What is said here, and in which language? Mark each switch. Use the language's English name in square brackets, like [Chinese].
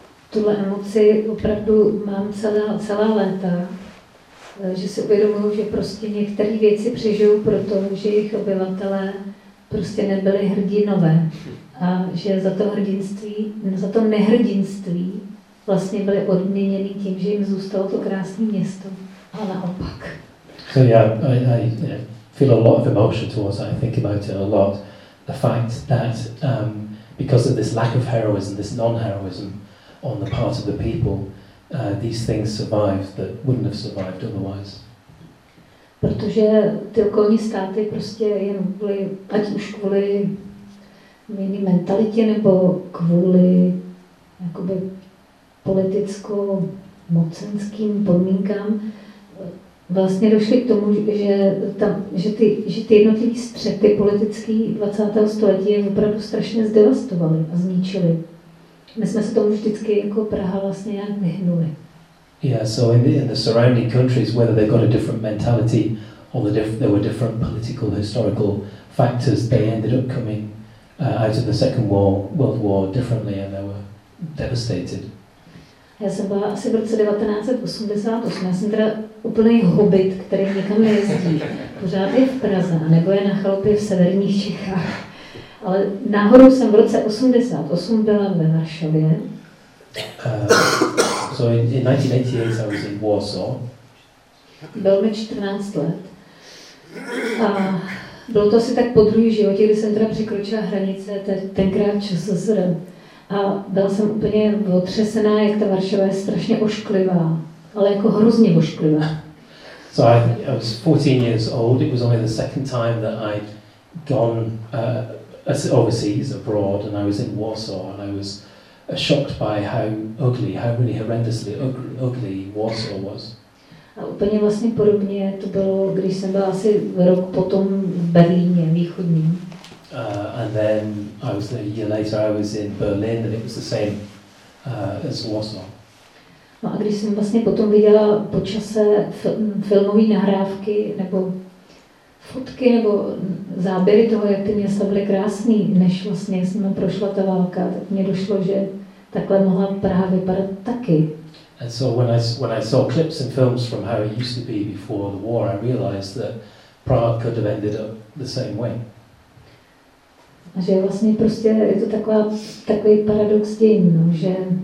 [Czech] Tuhle emoci opravdu mám celá léta, že si uvědomuju, že prostě některé věci přežijou proto, že jejich obyvatelé prostě nebyli hrdinové a že za to hrdinství, za to nehrdinství vlastně byly odměněny tím, že jim zůstalo to krásné město, a naopak. [English] So yeah, I feel a lot of emotion towards that. I think about it a lot. The fact that because of this lack of heroism, this non-heroism on the part of the people, these things survived that wouldn't have survived otherwise. [Czech] Protože ty okolní státy prostě jen kvůli, ať už kvůli jiný mentalitě nebo kvůli jakoby politicko-mocenským podmínkám, vlastně došli k tomu, že ty jednotlivé střety politické 20. století je opravdu strašně zdevastovaly a zničily. My jsme se tomu vždycky jako Praha vlastně nějak vyhnuli. [English] Yeah, so in the surrounding countries, whether they got a different mentality or there were different political historical factors, they ended up coming out of the Second World War differently and they were devastated. [Czech] Já jsem byla asi v roce 1988, já jsem teda úplný hobit, který nikam nejezdí. Pořád je v Praze, nebo je na chalupě v severních Čechách. Ale náhodou jsem v roce 88 byla ve Varšavě. [English] So in 1988 I was in Warsaw. [Czech] Bylo mi 14 let. A bylo to asi tak po druhý životě, kdy jsem teda překročila hranice, tenkrát ČSSR. A byla jsem úplně otřesená, jak ta Varšava je strašně ošklivá, ale jako hrozně ošklivá. [English] So I was 14 years old. It was only the second time that I'd gone overseas abroad, and I was in Warsaw, and I was shocked by how ugly, how really horrendously ugly Warsaw was. [Czech] A úplně vlastně podobně to bylo, když jsem byla asi rok potom v Berlíně východním. [English] And then I was a year later. I was in Berlin, and it was the same as Warsaw. [Czech] No, a když jsem vlastně potom viděla po čase filmové nahrávky nebo fotky nebo záběry toho, jak ty města byly krásný, než vlastně jsem prošla ta válka, tak mě došlo, že takhle mohla Praha vypadat taky. [English] And so when I saw clips and films from how it used to be before the war, I realized that Prague could have ended up the same way. [Czech] A že vlastně prostě je to takový paradox dějin, no, že...